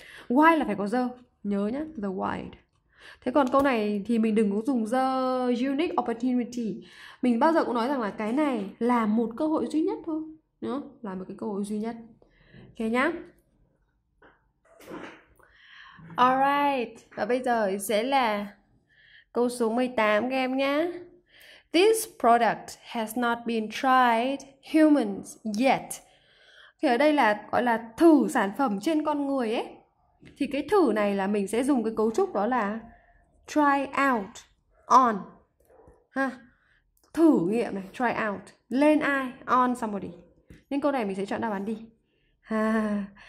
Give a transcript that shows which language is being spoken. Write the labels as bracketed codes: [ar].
[vi] Wild là phải có the, nhớ nhá, [en] the wild. [vi] Thế còn câu này thì mình đừng có dùng [en] the unique opportunity. [vi] Mình bao giờ cũng nói rằng là cái này là một cơ hội duy nhất thôi, đúng không? Là một cái cơ hội duy nhất. Ok nhá. [en] Alright. [vi] Và bây giờ sẽ là câu số 18 các em nhá. [en] This product has not been tried humans yet. [vi] Thì ở đây là gọi là thử sản phẩm trên con người ấy. Thì cái thử này là mình sẽ dùng cái cấu trúc đó là [en] try out on [vi] ha. Thử nghiệm này, [en] try out [vi] lên ai, [en] on somebody. [vi] Nên câu này mình sẽ chọn đáp án đi ha.